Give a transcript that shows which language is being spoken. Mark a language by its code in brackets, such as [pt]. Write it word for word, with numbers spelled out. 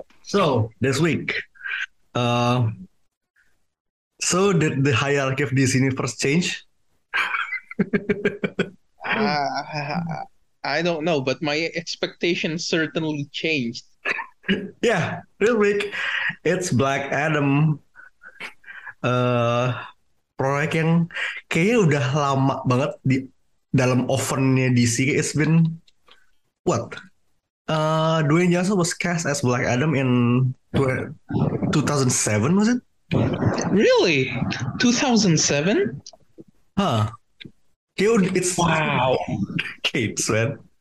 [en] So, this week, uh, so did the hierarchy of this universe change? uh, I don't know, but my expectations certainly changed. Yeah, this week, it's Black Adam. [id] Uh, proyek yang kayaknya udah lama banget di dalam ovennya D C. [en] It's been, what? Uh, Dwayne Johnson was cast as Black Adam in tw- two thousand seven, was it? Really? two thousand seven? Huh. Dude, it's... Wow. Capes, man.